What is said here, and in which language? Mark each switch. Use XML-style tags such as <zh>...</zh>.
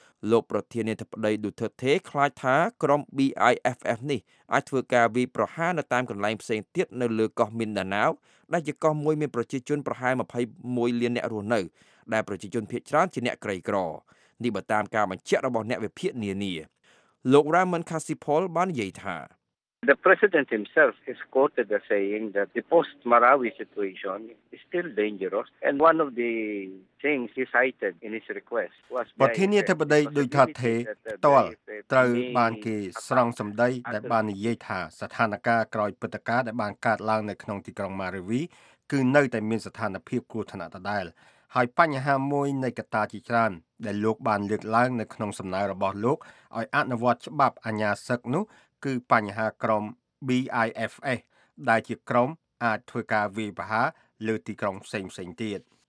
<km>លោកប្រធានាធិបតីឌូទើតេខ្លាចថាក្រុម BIFF នេះអាចធ្វើការវាយប្រហារនៅតាមកន្លែងផ្សេងទៀតនៅលើកោះមីនដាណាវដែលជាកោះមួយមានប្រជាជនប្រហែល21លានអ្នករស់នៅដែលប្រជាជនភាគច្រើនជាអ្នកក្រីក្រនេះបើតាមការបញ្ជាក់របស់អ្នកវិភាគនានាលោក Raymond Casipol បាននិយាយថា</km> <en>The president himself is quoted as saying that the post-Marawi situation is still dangerous and one of the things he cited in his request was</en> <km>ប្រធានាធិបតីដូចថាទេផ្ទាល់ត្រូវបានគេស្រង់សម្ដីដែលបាននិយាយថាស្ថានភាពក្រោយព្រឹត្តិការណ៍ដែលបានកើតឡើងនៅក្នុងទីក្រុង Marawi គឺនៅតែមានស្ថានភាពគ្រោះថ្នាក់ដដែលហើយបញ្ហាមួយនៃកត្តាជាច្រើនដែលលោកបានលើកឡើងនៅក្នុងសំណើរបស់លោកឲ្យអនុវត្តច្បាប់អាញាសឹកនោះគឺបញ្ហាក្រុម BIFS ដែលជាក្រុមអាចធ្វើការវាយប្រហារលើទីក្រុងផ្សេងៗទៀត</km>